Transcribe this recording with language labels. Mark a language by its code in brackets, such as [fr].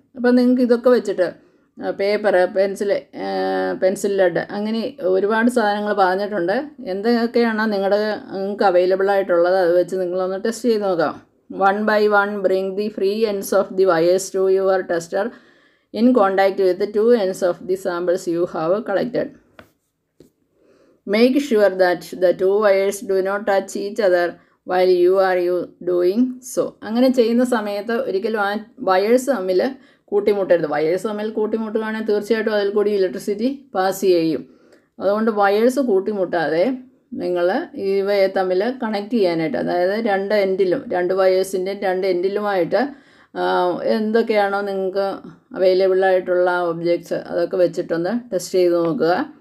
[ml] അപ്പം നിങ്ങൾക്ക് ഇതൊക്കെ വെച്ചിട്ട് പേപ്പർ പെൻസിൽ പെൻസിൽ ലെഡ് അങ്ങനെ ഒരുപാട് സാധനങ്ങൾ പറഞ്ഞിട്ടുണ്ട്. എന്തൊക്കെയാണോ നിങ്ങളുടെ നിങ്ങൾക്ക് അവൈലബിൾ ആയിട്ടുള്ളത് അത് വെച്ച് നിങ്ങളൊന്ന് ടെസ്റ്റ് ചെയ്ത് നോക്കാം. [en] One by one bring the free ends of the wires to your tester in contact with two ends of the samples you have collected. Make sure that the two wires do not touch each other while you are doing so. [ml] അങ്ങനെ ചെയ്യുന്ന സമയത്ത് ഒരിക്കലും ആ wires തമ്മിൽ കൂട്ടിമുട്ടരുത്. Wires തമ്മിൽ കൂട്ടിമുട്ടുകയാണെങ്കിൽ തീർച്ചയായിട്ടും അതിൽ കൂടി ഇലക്ട്രിസിറ്റി പാസ് ചെയ്യും. അതുകൊണ്ട് വയേഴ്സ് കൂട്ടിമുട്ടാതെ നിങ്ങൾ ഇവയെ തമ്മിൽ കണക്ട് ചെയ്യാനായിട്ട് അതായത് രണ്ട് എൻഡിലും രണ്ട് വയേഴ്സിൻ്റെ രണ്ട് എൻഡിലുമായിട്ട് എന്തൊക്കെയാണോ നിങ്ങൾക്ക് അവൈലബിളായിട്ടുള്ള ഒബ്ജക്ട്സ് അതൊക്കെ വെച്ചിട്ടൊന്ന് ടെസ്റ്റ് ചെയ്ത് നോക്കുക.